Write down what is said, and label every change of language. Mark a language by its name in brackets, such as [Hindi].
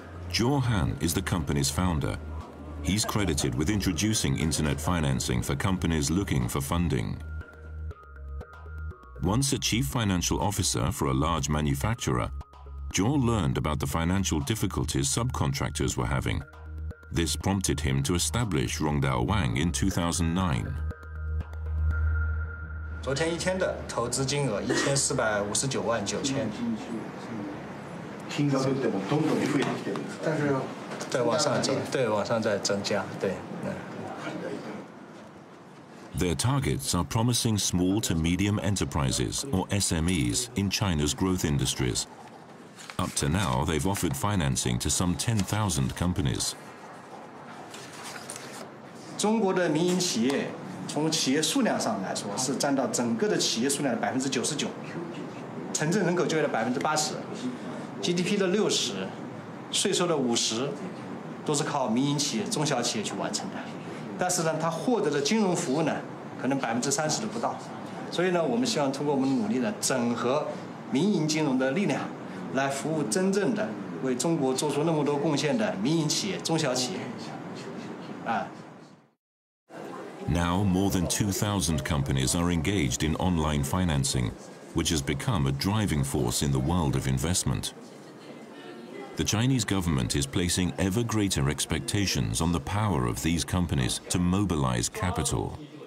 [English] Zhuo Han is the company's founder. He's credited with introducing internet financing for companies looking for funding. Once a chief financial officer for a large manufacturer,Zhuo learned about the financial difficulties subcontractors were having. This prompted him to establish Rongdao Wang in 2009. [Chinese] 昨天一天的投资金额1459.9万。听到的怎么咚咚一回？但是对往上走，对往上在增加，对。 [English] Their targets are promising small to medium enterprises or SMEs in China's growth industries. Up to now, they've offered financing to some 10,000 companies. [Chinese] 中国的民营企业，从企业数量上来说，是占到整个的企业数量的99%，城镇人口就业的80%，GDP 的60%，税收的50%都是靠民营企业、中小企业去完成的，但是呢，它获得的金融服务呢，可能30%都不到。所以呢，我们希望通过我们努力呢，整合民营金融的力量，来服务真正的为中国做出那么多贡献的民营企业、中小企业。啊。 [English] Now more than 2,000 companies are engaged in online financing, which has become a driving force in the world of investment. The Chinese government is placing ever greater expectations on the power of these companies to mobilize capital.